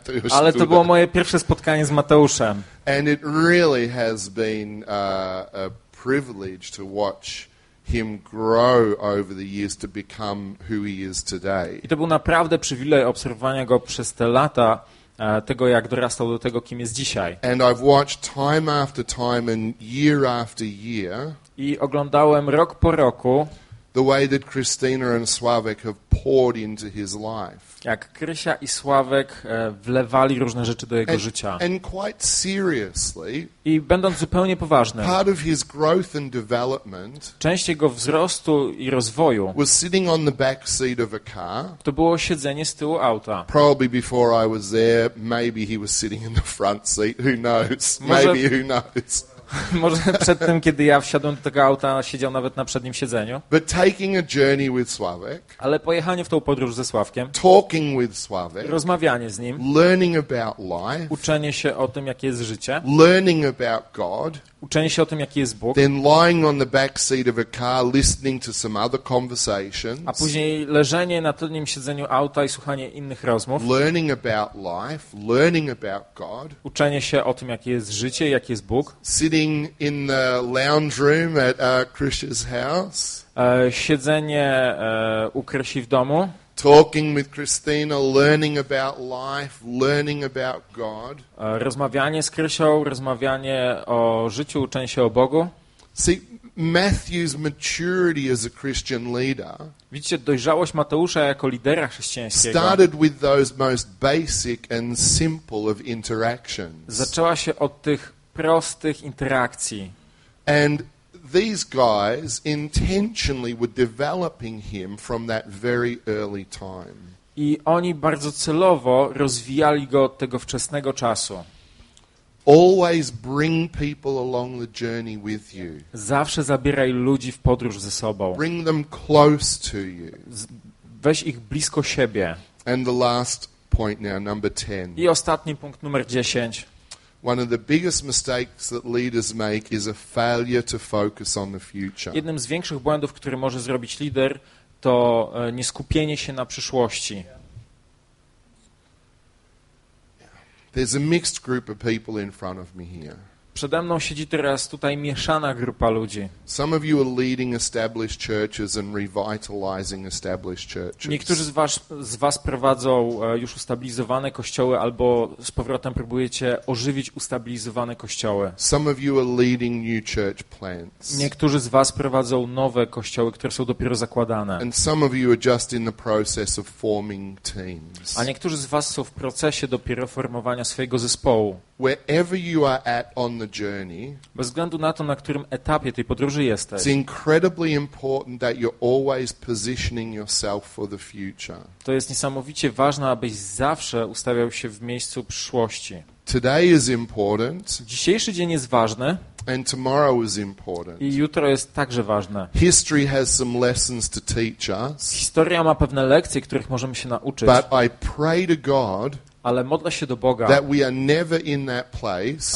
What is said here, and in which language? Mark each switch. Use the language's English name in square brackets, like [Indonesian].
[Polish] Ale to było moje pierwsze spotkanie z Mateuszem. [English] And it really has been a privilege to watch him grow over the years to become who he is today. [Polish] I to był naprawdę przywilej obserwowania go przez te lata, tego, jak dorastał do tego, kim jest dzisiaj. [English] And I've watched time after time and year after year. [Polish] I oglądałem rok po roku. [English] The way that Christina and Sławek have poured into his life. [Polish] Jak Krysia i Sławek wlewali różne rzeczy do jego życia. [English] And quite seriously. [Polish] I będąc zupełnie poważnym. [English] Part of his growth and development. [Polish] Część jego wzrostu i rozwoju. [English] Was sitting on the back seat of a car. [Polish] To było siedzenie z tyłu auta. [English] Probably before I was there, maybe he was sitting in the front seat. Who knows? Maybe who knows? [Polish] Może przed tym, kiedy ja wsiadłem do tego auta, siedział nawet na przednim siedzeniu. [English] But taking a journey with Sławek, [Polish] ale pojechanie w tą podróż ze Sławkiem, [English] talking with Sławek, [Polish] rozmawianie z nim, [English] learning about life, [Polish] uczenie się o tym, jakie jest życie, [English] learning about God, [Polish] uczenie się o tym, jaki jest Bóg, [English] then lying on the back seat of a car, listening to some other conversations, [Polish] a później leżenie na tylnym siedzeniu auta i słuchanie innych rozmów, [English] learning about life, learning about God, [Polish] uczenie się o tym, jakie jest życie, jaki jest Bóg, [English] sitting in the lounge room at Krysia's house, [Polish] siedzenie u Krysi w domu, [English] talking with Christina, learning about life, learning about God. [Polish] Rozmawianie z Krysią, rozmawianie o życiu, uczenie się o Bogu. [English] See, Matthew's maturity as a Christian leader. [Polish] Widzicie, dojrzałość Mateusza jako lidera chrześcijańskiego. [English] Started with those most basic and simple of interactions. [Polish] Zaczęła się od tych prostych interakcji. [English] And these guys intentionally were developing him from that very early time. [Polish] I oni bardzo celowo rozwijali go od tego wczesnego czasu. [English] Always bring people along the journey with you. [Polish] Zawsze zabieraj ludzi w podróż ze sobą. [English] Bring them close to you. [Polish] Weź ich blisko siebie. [English] And the last point now, number 10. [Polish] I ostatni punkt numer 10. [English] One of the biggest mistakes that leaders make is a failure to focus on the future. [Polish] Jednym z większych błędów, który może zrobić lider, to nieskupienie się na przyszłości. [English] There's a mixed group of people in front of me here. [Polish] Przede mną siedzi teraz tutaj mieszana grupa ludzi. [English] Some of you are leading established churches and revitalizing established churches. [Polish] Niektórzy z was prowadzą już ustabilizowane kościoły albo z powrotem próbujecie ożywić ustabilizowane kościoły. [English] Some of you are leading new church plants. [Polish] Niektórzy z was prowadzą nowe kościoły, które są dopiero zakładane. [English] And some of you are just in the process of forming teams. [Polish] A niektórzy z was są w procesie dopiero formowania swojego zespołu. [English] Wherever you are at on the journey, [Polish] bez względu na to, na którym etapie tej podróży jesteś, [English] it's incredibly important that you're always positioning yourself for the future. [Polish] To jest niesamowicie ważne, abyś zawsze ustawiał się w miejscu przyszłości. [English] Today is important. [Polish] Dzisiejszy dzień jest ważny. [English] And tomorrow is important. [Polish] I jutro jest także ważne. [English] History has some lessons to teach us. [Polish] Historia ma pewne lekcje, których możemy się nauczyć. [English] But I pray to God. [Polish] Ale modlę się do Boga, [English] that we are never in that place,